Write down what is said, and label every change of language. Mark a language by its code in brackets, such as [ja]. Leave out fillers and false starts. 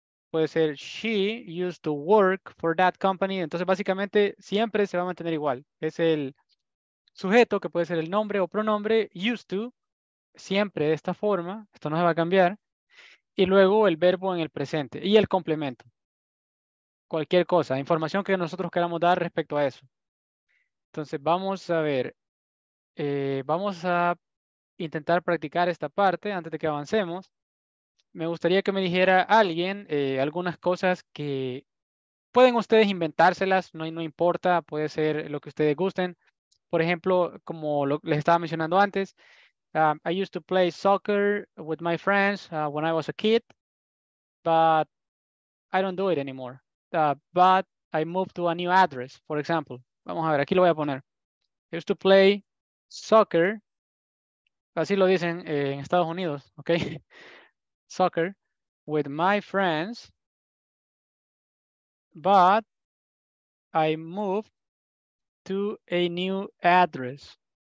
[es] Puede ser [en] she used to work for that company. [es] Entonces, básicamente, siempre se va a mantener igual. Es el sujeto, que puede ser el nombre o pronombre, used to. Siempre de esta forma. Esto no se va a cambiar. Y luego el verbo en el presente y el complemento. Cualquier cosa, información que nosotros queramos dar respecto a eso. Entonces, vamos a ver. Vamos a intentar practicar esta parte antes de que avancemos. Me gustaría que me dijera alguien algunas cosas que pueden ustedes inventárselas. No importa, puede ser lo que ustedes gusten. Por ejemplo, como les estaba mencionando antes, [en] I used to play soccer with my friends when I was a kid, but I don't do it anymore. But I moved to a new address, for example. [es] Vamos a ver, aquí lo voy a poner. [en] I used to play soccer. [es] Así lo dicen en Estados Unidos, ¿ok? [en] Soccer with my friends. But I moved to a new address.